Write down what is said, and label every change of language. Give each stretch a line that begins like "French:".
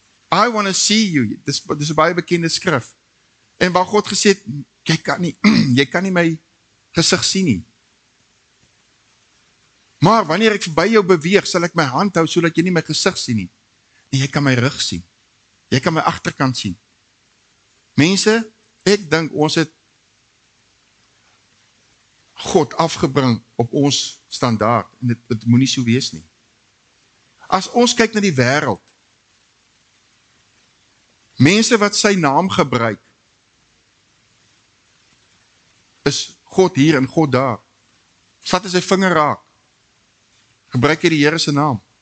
English: I want to see you.
Afrikaans: Dis 'n baie bekende skrif. En waar God gesê het, jy kan nie my gesig sien nie. Maar wanneer ek verby jou beweeg, sal ek my hand hou sodat jy nie my gesig sien nie. En jy kan my rug sien. Jy kan my agterkant sien. Mense, ek dink ons het God afgebring op ons standaard. En dit moenie so wees nie. As ons kyk na die wêreld, mense wat sy naam gebruik, is God hier en God daar. Vat sy vinger raak. Gebruik hy die Here se naam.